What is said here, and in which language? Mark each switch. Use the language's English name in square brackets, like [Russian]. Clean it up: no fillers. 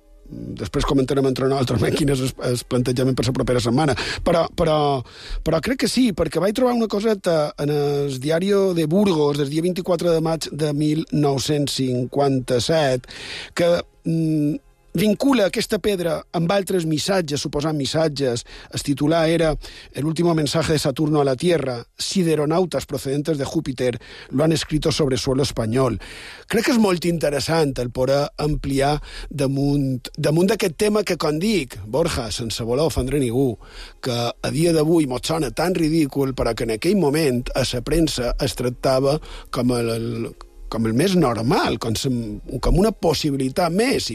[Catalan] Després comentarem entre nosaltres quin és el plantejament per la propera setmana. Però crec que sí, perquè vaig trobar una coseta en el diari de Burgos del dia 24 de maig de 1957 que vincula aquesta pedra amb altres missatges, suposant missatges. [Spanish] El titular era "El último mensaje de Saturno a la Tierra. Sideronautas procedentes de Júpiter lo han escrito sobre suelo español". [Catalan] Crec que és molt interessant el poder ampliar damunt d'aquest tema que, com dic, Borja, sense voler ofendre ningú, que a dia d'avui mos sona tan ridícul, però que en aquell moment a la premsa es tractava com el més normal, com una possibilitat més.